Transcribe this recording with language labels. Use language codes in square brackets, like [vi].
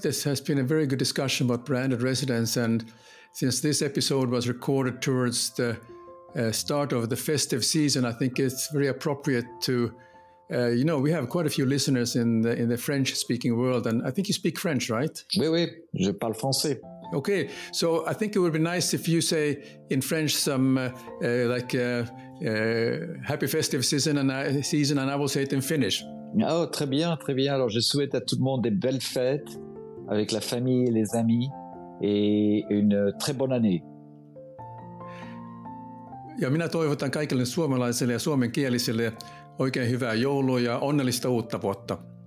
[en] This has been a very good discussion about branded residence. And since this episode was recorded towards the start of the festive season, I think it's very appropriate to you know, we have quite a few listeners in the French-speaking world, and I think you speak French, right? [fr] Oui, oui, je parle français. [en] Okay, so I think it would be nice if you say in French some happy festive season, and I will say it in Finnish. [fr] Oh, très bien, très bien. Alors, je souhaite à tout le monde des belles fêtes avec la famille et les amis, et une très bonne année. [fi] Ja minä toivotan kaikille suomalaisille ja suomenkielisille oikein hyvää joulua ja onnellista uutta vuotta.